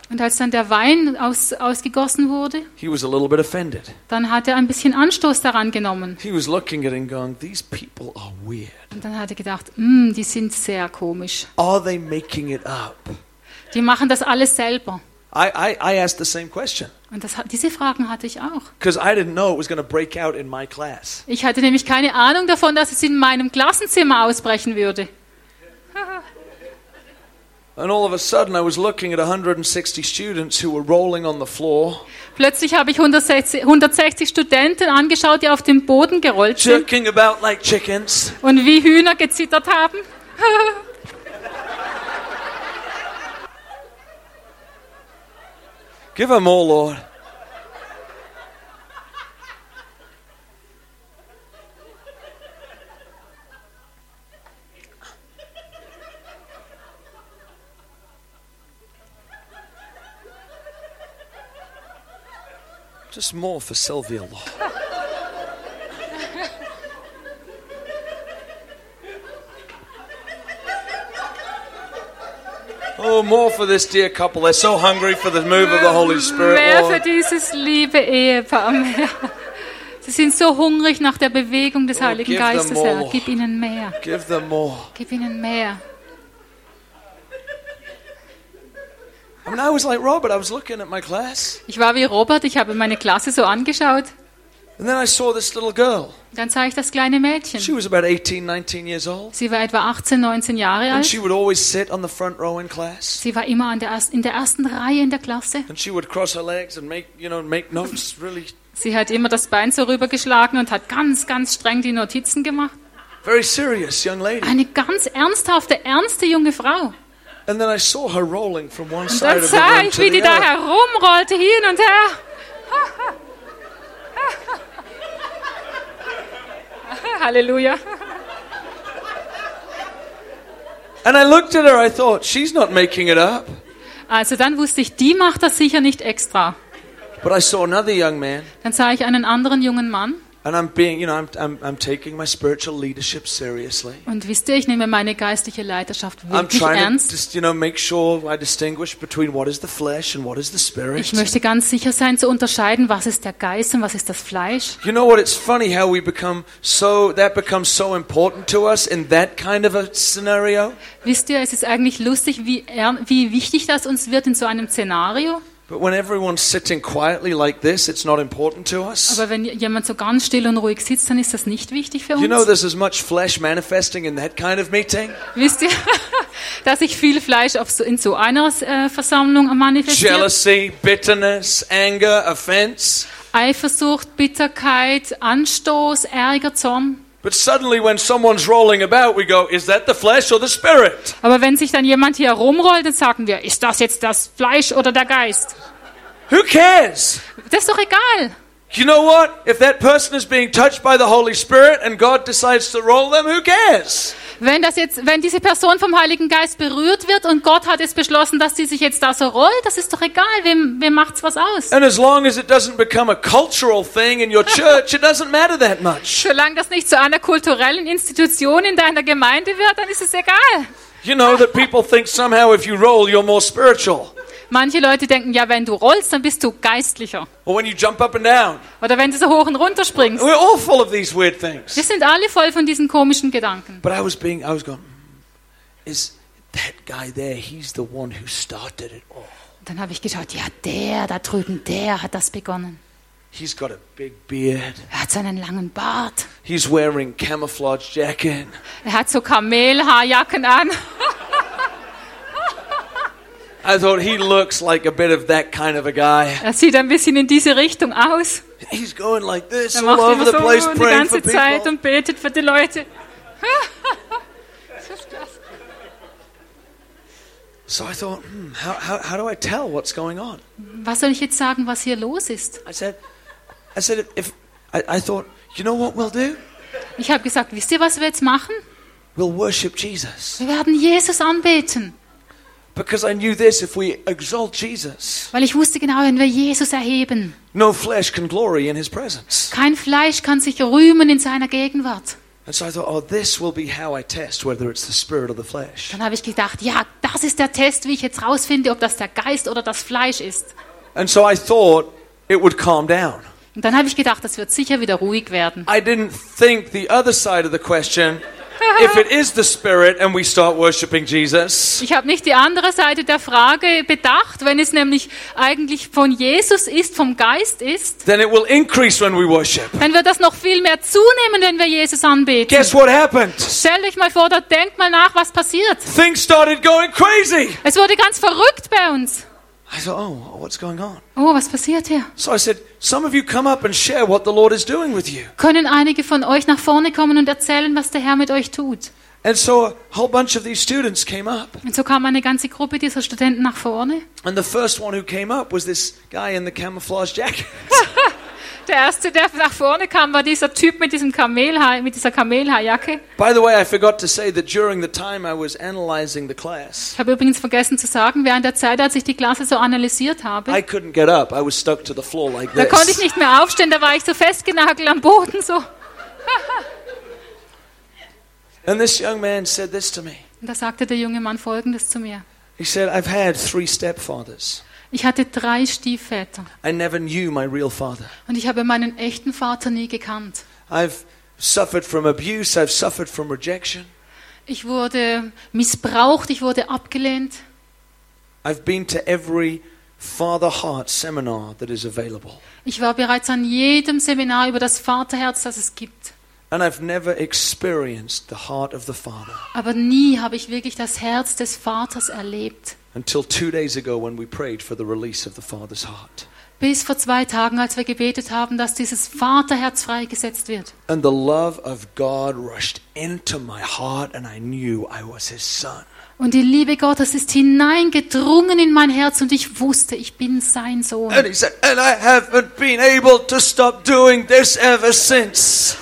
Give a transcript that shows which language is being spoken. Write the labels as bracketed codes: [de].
[de] und als dann der Wein ausgegossen wurde, [en] he was a little bit offended. [de] Dann hat er ein bisschen Anstoß daran genommen. [en] He was looking at it and going, "These people are weird." [de] Und dann hat er gedacht, die sind sehr komisch. [en] Are they making it up? [de] Die machen das alles selber. [en] I asked the same question. [de] Und diese Fragen hatte ich auch. [en] I didn't know it was going to break out in my class. [de] Ich hatte nämlich keine Ahnung davon, dass es in meinem Klassenzimmer ausbrechen würde. [en] And all of a sudden I was looking at 160 students who were rolling on the floor. [de] Plötzlich habe ich 160 Studenten angeschaut, die auf dem Boden gerollt sind. [en] Jerking about like chickens. [de] Und wie Hühner gezittert haben. [en] Give them all, Lord. Just more for Sylvia, Lord. Oh, more for this dear couple. They're so hungry for the move of the Holy Spirit. [de] Mehr für dieses liebe Ehepaar. Mehr. Sie sind so hungrig nach der Bewegung des Heiligen Geistes. [en] Give them more. [de] Herr, gib ihnen mehr. [en] Give them more. [de] Gib ihnen mehr. [en] I mean, I was like Robert. I was looking at my class. [de] Ich war wie Robert. Ich habe meine Klasse so angeschaut. [en] And then I saw this little girl. [de] Dann sah ich das kleine Mädchen. [en] She was about 18, 19 years old. [de] Sie war etwa 18, 19 Jahre alt. [en] And she would always sit on the front row in class. [de] Sie war immer in der ersten Reihe in der Klasse. [en] And she would cross her legs and make, you know, make notes really. [de] Sie hat immer das Bein so rübergeschlagen und hat ganz, ganz streng die Notizen gemacht. [en] Very serious young lady. [de] Eine ganz ernsthafte, ernste junge Frau. [en] And then I saw her rolling from one side of the room to the other. [de] Und dann sah ich, wie die da herumrollte hin und her. Halleluja. [en] And I looked at her, I thought, she's not making it up. [de] Also dann wusste ich, die macht das sicher nicht extra. [en] But I saw another young man. [de] Dann sah ich einen anderen jungen Mann. [en] And I'm being, you know, I'm taking my spiritual leadership seriously. [de] Und wisst ihr, ich nehme meine geistliche Leiterschaft wirklich ernst. [en] Just, you know, make sure I distinguish between what is the flesh and what is the spirit. [de] Ich möchte ganz sicher sein zu unterscheiden, was ist der Geist und was ist das Fleisch. [en] You know what, it's funny how we become so, that becomes so important to us in that kind of a scenario. [de] Wisst ihr, es ist eigentlich lustig, wie wichtig das uns wird in so einem Szenario. [en] But when everyone's sitting quietly like this, it's not important to us. [de] Aber wenn jemand so ganz still und ruhig sitzt, dann ist das nicht wichtig für uns. [en] You know, there's as much flesh manifesting in that kind of meeting. [de] Wisst ihr, dass ich viel Fleisch in so einer Versammlung manifestiere? [en] Jealousy, bitterness, anger, offense. [de] Eifersucht, Bitterkeit, Anstoß, Ärger, Zorn. [en] But suddenly when someone's rolling about we go, is that the flesh or the spirit? [de] Aber wenn sich dann jemand hier rumrollt, dann sagen wir, ist das jetzt das Fleisch oder der Geist? [en] Who cares? [de] Das ist doch egal. [en] You know what? If that person is being touched by the Holy Spirit and God decides to roll them, who cares? [de] Wenn diese Person vom Heiligen Geist berührt wird und Gott hat es beschlossen, dass sie sich jetzt da so rollt, das ist doch egal, wem macht's was aus? [en] And as long as it doesn't become a cultural thing in your church, it doesn't matter that much. [de] Solange das nicht zu einer kulturellen Institution in deiner Gemeinde wird, dann ist es egal. [en] You know that people think somehow if you roll, you're more spiritual. [de] Manche Leute denken, ja, wenn du rollst, dann bist du geistlicher. [en] Or when you jump up and down. [de] Oder wenn du so hoch und runter springst. [en] We're all full of these weird things. [de] Wir sind alle voll von diesen komischen Gedanken. [en] But I was going, is that guy there, he's the one who started it all. [de] Dann habe ich geschaut, ja, der da drüben, der hat das begonnen. [en] He's got a big beard. [de] Er hat so einen langen Bart. [en] He's wearing camouflage jacket. [de] Er hat so Kamelhaarjacken an. [en] I thought he looks like a bit of that kind of a guy. [de] Er sieht ein bisschen in diese Richtung aus. [en] He's going like this all over the place praying for people. [de] Er macht immer so die ganze Zeit und betet für die Leute. [en] So I thought, how do I tell what's going on? [de] Was soll ich jetzt sagen, was hier los ist? [en] I said, if I thought, you know what we'll do? [de] Ich habe gesagt, wisst ihr, was wir jetzt machen? [en] We'll worship Jesus. [de] Wir werden Jesus anbeten. [en] Because I knew this, if we exalt Jesus, [de] weil ich wusste genau, wenn wir Jesus erheben, [en] no flesh can glory in his presence. [de] Kein Fleisch kann sich rühmen in seiner Gegenwart. [en] And so I thought, oh, this will be how I test whether it's the spirit or the flesh. [de] Dann habe ich gedacht, ja, das ist der Test, wie ich jetzt rausfinde, ob das der Geist oder das Fleisch ist. [en] And so I thought it would calm down. [de] Und dann habe ich gedacht, das wird sicher wieder ruhig werden. [en] I didn't think the other side of the question. If it is the spirit and we start worshiping Jesus. [de] Ich habe nicht die andere Seite der Frage bedacht, wenn es nämlich eigentlich von Jesus ist, vom Geist ist. [en] Then it will increase when we worship. [de] Dann wird das noch viel mehr zunehmen, wenn wir Jesus anbeten. [en] Guess what happened? [de] Stellt euch mal vor, da denkt mal nach, was passiert. [en] Things started going crazy. [de] Es wurde ganz verrückt bei uns. [en] I thought, oh, what's going on? [de] Oh, was passiert hier? [en] So I said, some of you come up and share what the Lord is doing with you. [de] Können einige von euch nach vorne kommen und erzählen, was der Herr mit euch tut? [en] And so a whole bunch of these students came up. [de] Und so kam eine ganze Gruppe dieser Studenten nach vorne. [en] And the first one who came up was this guy in the camouflage jacket. [de] Der erste, der nach vorne kam, war dieser Typ mit diesem Kamelhaar, mit dieser Kamelhaarjacke. [en] By the way, I forgot to say that during the time I was analyzing the class. [de] Ich habe übrigens vergessen zu sagen, während der Zeit, als ich die Klasse so analysiert habe. [en] I couldn't get up. I was stuck to the floor like this. [de] Da konnte ich nicht mehr aufstehen. Da war ich so festgenagelt am Boden so. [en] And this young man said this to me. [de] Und da sagte der junge Mann Folgendes zu mir. [en] He said, "I've had three stepfathers." [de] Ich hatte drei Stiefväter. [en] I never knew my real father. [de] Und ich habe meinen echten Vater nie gekannt. [en] I've suffered from abuse, I've suffered from rejection. [de] Ich wurde missbraucht, ich wurde abgelehnt. [en] I've been to every father heart seminar that is available. [de] Ich war bereits an jedem Seminar über das Vaterherz, das es gibt. [en] And I've never experienced the heart of the father. [de] Aber nie habe ich wirklich das Herz des Vaters erlebt. [en] Until 2 days ago, when we prayed for the release of the Father's heart. [de] Bis vor 2 Tagen, als wir gebetet haben, dass dieses Vaterherz freigesetzt wird. [en] And the love of God rushed into my heart, and I knew I was His son. [de] Und die Liebe Gottes ist hineingedrungen in mein Herz, und ich wusste, ich bin sein Sohn. [en] And he said, and I haven't been able to stop doing this ever since.